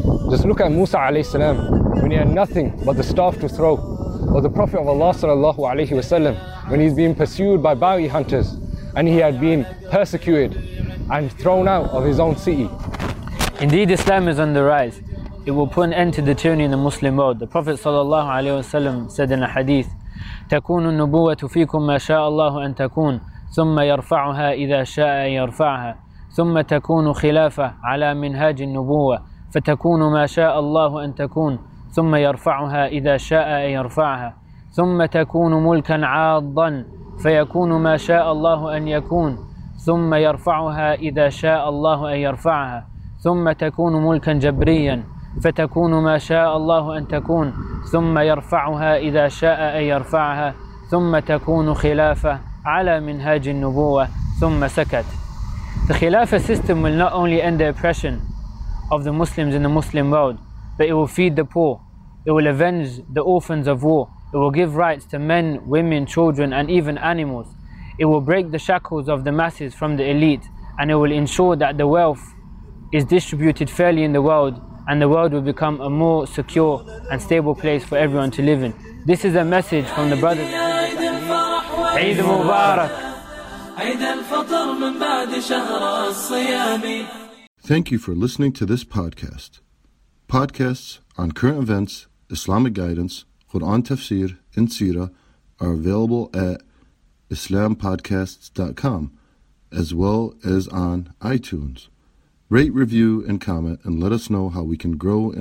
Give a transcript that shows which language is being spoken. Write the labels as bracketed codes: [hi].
[en] Just look at Musa alayhi salam, when he had nothing but the staff to throw, or the Prophet of Allah sallallahu alayhi wasallam, when he's being pursued by bounty hunters and he had been persecuted and thrown out of his own city. Indeed, Islam is on the rise. It will put an end to the tyranny in the Muslim world. The Prophet sallallahu alayhi wasallam said in a hadith, [ar] تَكُونُ النُّبُوَّةُ فِيكُمْ مَا شَاءَ اللَّهُ أَن تَكُونَ ثم يرفعها إذا شاء يرفعها ثم تكون خلافة على منهاج النبوة فتكون ما شاء الله أن تكون ثم يرفعها إذا شاء يرفعها ثم تكون ملكا عاضا فيكون ما شاء الله أن يكون ثم يرفعها إذا شاء الله أن يرفعها ثم تكون ملكا جبريا فتكون ما شاء الله أن تكون ثم يرفعها إذا شاء يرفعها ثم تكون خلافة عَلَى مِنْهَاجِ النُّبُوَّةِ ثُمَّ سَكَتْ [en] The Khilafah system will not only end the oppression of the Muslims in the Muslim world, but it will feed the poor, it will avenge the orphans of war, it will give rights to men, women, children, and even animals. It will break the shackles of the masses from the elite, and it will ensure that the wealth is distributed fairly in the world, and the world will become a more secure and stable place for everyone to live in. This is a message from the brothers [ar] عيد مبارك عيد الفطر من بعد شهر الصيام [en] Thank you for listening to this podcast. Podcasts on current events, Islamic guidance, Quran tafsir, and seerah are available at islampodcasts.com as well as on iTunes. Rate, review, and comment and let us know how we can grow in